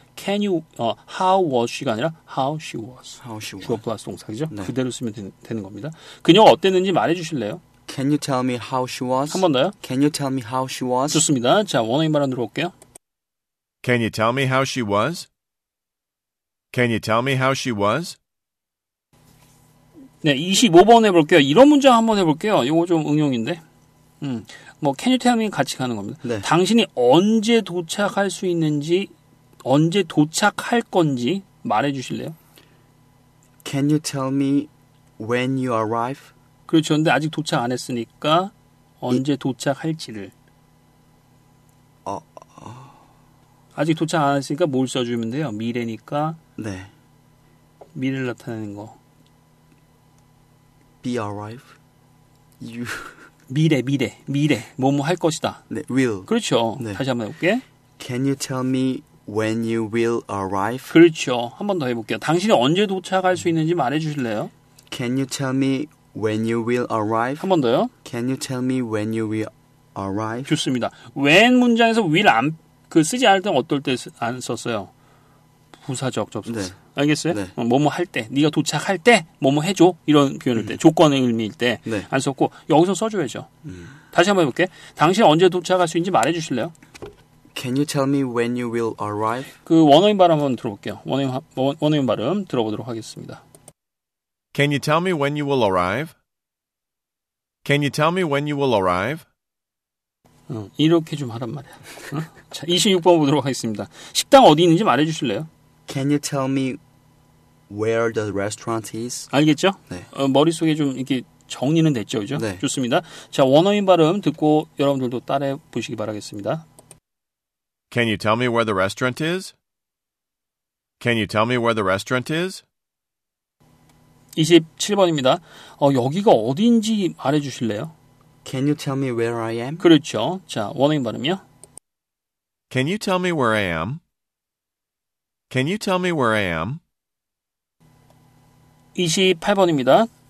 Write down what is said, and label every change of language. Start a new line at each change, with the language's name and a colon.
English: Can you, how was she가 아니라 how she was. How she was.
Korean: 주어 플러스 동사죠. 네. 그대로 쓰면 되는 겁니다. 그녀가 어땠는지 말해주실래요?
English: Can you tell me how she was?
Korean: 한 번 더요.
English: Can you tell me how she was?
Korean: 좋습니다. 자, 원어민 발음 들어볼게요.
English: Can you tell me how she was? Can you tell me how she was?
Korean: 네, 25번 해볼게요. 이런 문장 한번 해볼게요. 이거 좀 응용인데. 뭐
English: Can you tell me
Korean: 같이 가는 겁니다. 네. 당신이 언제 도착할 수 있는지, 언제 도착할 건지 말해주실래요?
English: Can you tell me when you arrive?
Korean: 그렇죠. 근데 아직 도착 안 했으니까 언제 도착할지를. 아직 도착 안 했으니까 뭘 써주면 돼요? 미래니까. 네. 미래를 나타내는 거.
English: Be arrive. You.
Korean: 미래, 미래, 미래. 뭐뭐 할 것이다. 네, will. 그렇죠. 네. 다시 한번 해볼게.
English: Can you tell me when you will arrive?
Korean: 그렇죠. 한 번 더 해볼게요. 당신이 언제 도착할 수 있는지 말해주실래요?
English: Can you tell me when you will arrive?
Korean: 한 번 더요.
English: Can you tell me when you will arrive?
Korean: 좋습니다. When 문장에서 will 안 그 쓰지 않을 때는 어떨 때 안 썼어요? 부사적 접속. 네. 알겠어요? 네. 뭐뭐 할 때, 네가 도착할 때 뭐뭐 해줘 이런 표현을 때, 조건의 의미일 때 안 네. 썼고 여기서 써줘야죠. 다시 한번 해볼게. 당신 언제 도착할 수 있는지 말해주실래요?
English: Can you tell me when you will arrive?
Korean: 그 원어민 발음 한번 들어볼게요. 원어민 발음 들어보도록 하겠습니다.
English: Can you tell me when you will arrive? Can you tell me when you will arrive?
Korean: 이렇게 좀 하란 말이야. 자, 26번 보도록 하겠습니다. 식당 어디 있는지 말해주실래요?
English: Can you tell me where the restaurant is?
Korean: 알겠죠? 네. 머릿속에 좀 이렇게 정리는 됐죠, 그죠? 네. 좋습니다. 자, 원어민 발음 듣고 여러분들도 따라해 보시기 바라겠습니다.
English: Can you tell me where the restaurant is? Can you tell me where the restaurant is?
Korean: 27번입니다. 여기가 어딘지 말해 주실래요?
English: Can you tell me where I am?
Korean: 그렇죠. 자, 원어민 발음이요.
English: Can you tell me where I am? Can you tell me where I am?
Korean: 28번입니다.